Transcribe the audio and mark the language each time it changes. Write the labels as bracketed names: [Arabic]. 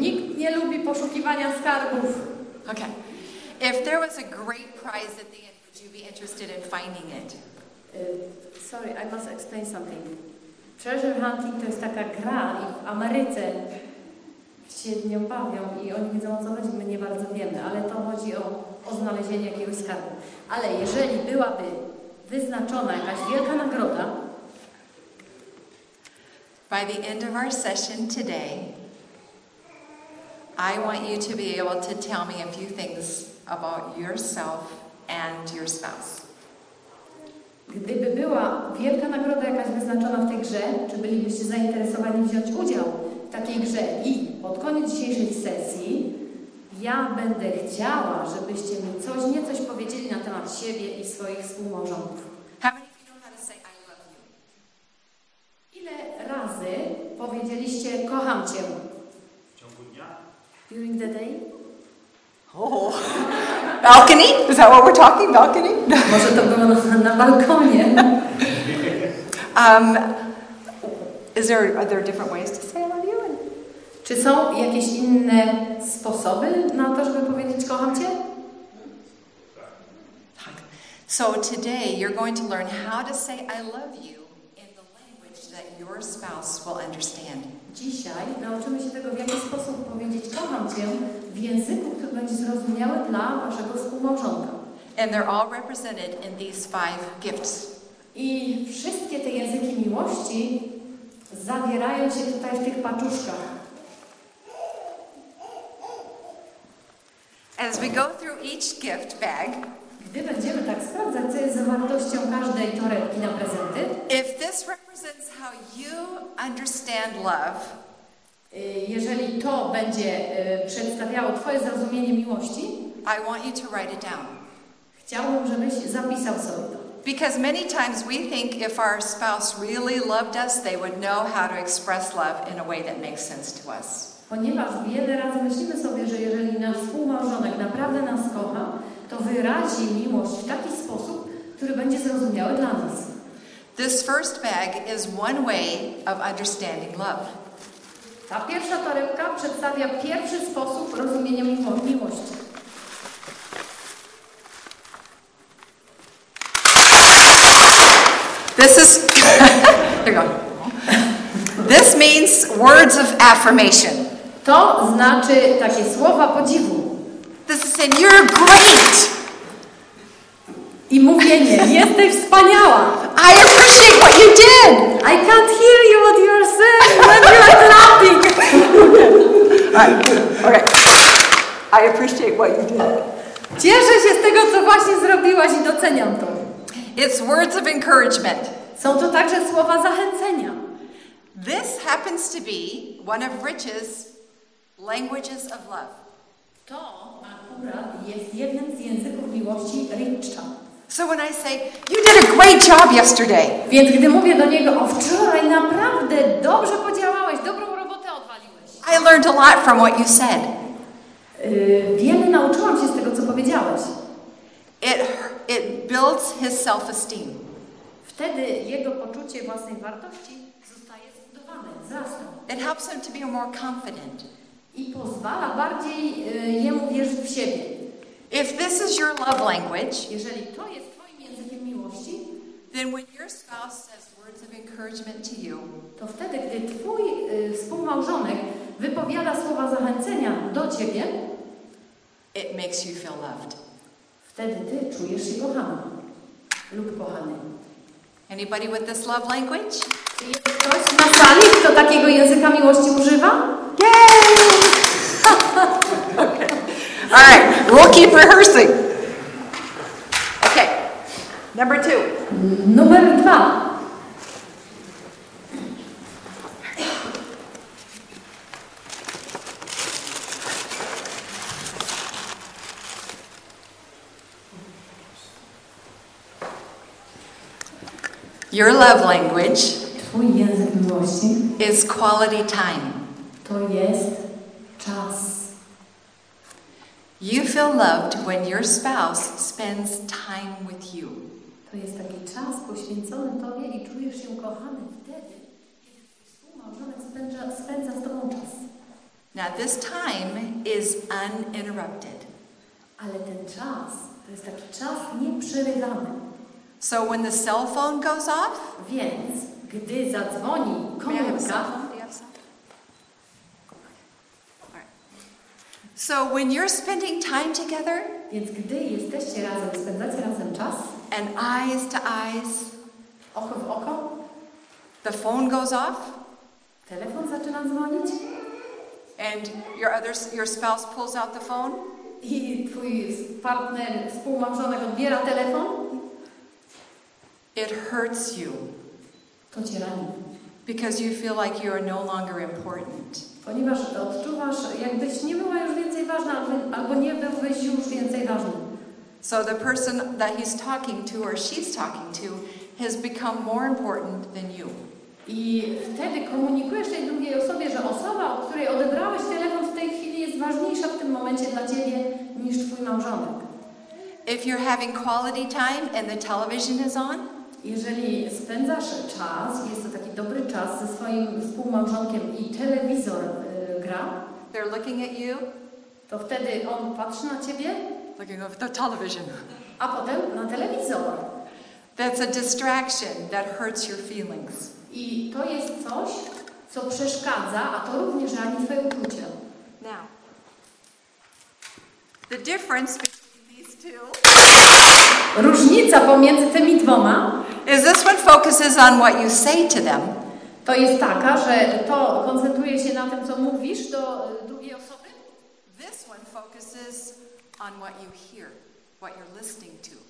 [Polish] Nikt nie lubi poszukiwania skarbów. [English] Okay. If there was a great prize at the end, would you be interested in finding it? Sorry, I must explain something. Treasure hunting [Polish] to jest taka gra i w Ameryce się nią bawią i oni wiedzą, o co chodzi, my nie bardzo wiemy, ale to chodzi o znalezienie jakiegoś skarbu. Ale jeżeli byłaby wyznaczona jakaś wielka nagroda, [English] by the end of our session today, I want you to be able to tell me a few things about yourself and your spouse. [Polish] Gdyby była wielka nagroda jakaś wyznaczona w tej grze, czy bylibyście zainteresowani wziąć udział w takiej grze? I pod koniec dzisiejszej sesji ja będę chciała, żebyście mi coś, niecoś powiedzieli na temat siebie i swoich współmałżonków. [English] How many of you know how to say I love you? [Polish] Ile razy powiedzieliście kocham cię? W ciągu dnia? [English] During the day? Oh, balcony? Is that what we're talking, balcony? [Polish] Może to było na balkonie. [English] Are there different ways to say I love you? [Polish] Czy są jakieś inne sposoby na to, żeby powiedzieć kocham cię? Tak. [English] So today you're going to learn how to say I love you in the language that your spouse will understand. [Polish] Dzisiaj nauczymy się tego, w jaki sposób powiedzieć kocham cię w języku, który będzie zrozumiały dla waszego współmałżonka. [English] And they're all represented in these five gifts. [Polish] I wszystkie te języki miłości zawierają się tutaj w tych paczuszkach. [English] As we go through each gift bag, [Polish] gdy będziemy tak sprawdzać, co jest zawartością każdej torebki na prezenty, [English] if this represents how you understand love, [Polish] jeżeli to będzie przedstawiało twoje zrozumienie miłości, [English] I want you to write it down. [Polish] Chciałbym, żebyś zapisał sobie to. [English] Because many times we think if our spouse really loved us, they would know how to express love in a way that makes sense to us. [Polish] Ponieważ wiele razy myślimy sobie, że jeżeli nasz współmałżonek naprawdę nas kocha, to wyrazi miłość w taki sposób, który będzie zrozumiały dla nas. [English] This first bag is one way of understanding love. [Polish] Ta pierwsza torebka przedstawia pierwszy sposób rozumienia miłości. [English] This is there you go. This means words of affirmation. [Polish] To znaczy takie słowa podziwu. [English] This is saying you're great. [Polish] I mówienie, jesteś wspaniała. [English] I appreciate what you did. I can't hear you what you're saying when you're clapping. Okay. I appreciate what you did. [Polish] Cieszę się z tego, co właśnie zrobiłaś i doceniam to. [English] It's words of encouragement. [Polish] Są to także słowa zachęcenia. [English] This happens to be one of Rich's languages of love. [Polish] To akurat jest jednym z języków miłości Richa. [English] So when I say, you did a great job yesterday. [Polish] Więc gdy mówię do niego, o wczoraj naprawdę dobrze podziałałeś, dobrą robotę odwaliłeś. [English] I learned a lot from what you said. [Polish] Wiele nauczyłam się z tego, co powiedziałeś. [English] It builds his self-esteem. [Polish] Wtedy jego poczucie własnej wartości zostaje zbudowane, wzrasta. [English] It helps him to be more confident. [Polish] I pozwala bardziej jemu wierzyć w siebie. [English] If this is your love language, [Polish] jeżeli to jest twoim językiem miłości, [English] then when your spouse says words of encouragement to you, [Polish] to wtedy, gdy twój współmałżonek wypowiada słowa zachęcenia do ciebie, [English] it makes you feel loved. [Polish] Wtedy ty czujesz się kochany lub kochany. [English] Anybody with this love language? [Polish] Czy jest ktoś na sali, kto takiego języka miłości używa? [English] Yay! All right, we'll keep rehearsing. Okay, number two. [Polish] Numer dwa. [English] Your love language [Polish] twój język miłości [English] is quality time. [Polish] To jest czas. [English] You feel loved when your spouse spends time with you. [Polish] To jest taki czas poświęcony tobie i czujesz się kochany wtedy, kiedy twój małżonek spędza z tobą czas. [English] Now this time is uninterrupted. [Polish] Ale ten czas, to jest taki czas nieprzerywany. [English] So when the cell phone goes off, [Polish] więc gdy zadzwoni komórka, [English] so when you're spending time together, [Polish] więc gdy jesteście razem, spędzacie razem czas, [English] and eyes to eyes, [Polish] oko w oko, [English] the phone goes off, [Polish] telefon zaczyna dzwonić, [English] and your spouse pulls out the phone, [Polish] i twój partner, współmałżonek odbiera telefon, [English] it hurts you. [Polish] To cię rani. [English] Because you feel like you are no longer important. [Polish] Ponieważ to odczuwasz, jakbyś nie była już więcej ważna, albo nie byłbyś już więcej ważny. [English] So the person that he's talking to or she's talking to has become more important than you. [Polish] I wtedy komunikujesz tej drugiej osobie, że osoba, od której odebrałeś telefon w tej chwili, jest ważniejsza w tym momencie dla ciebie niż twój małżonek. [English] If you're having quality time and the television is on, [Polish] jeżeli spędzasz czas, jest to taki dobry czas ze swoim współmałżonkiem i telewizor gra, [English] they're looking at you, [Polish] to wtedy on patrzy na ciebie, [English] looking at the television, [Polish] a potem na telewizor. [English] That's a distraction that hurts your feelings. [Polish] I to jest coś, co przeszkadza, a to również rani twoje uczucia. [English] Now, the difference between these two, [Polish] różnica pomiędzy tymi dwoma, [English] is this one focuses on what you say to them. [Polish] To jest taka, że to koncentruje się na tym, co mówisz do drugiej osoby. [English] This one focuses on what you hear, what you're listening to.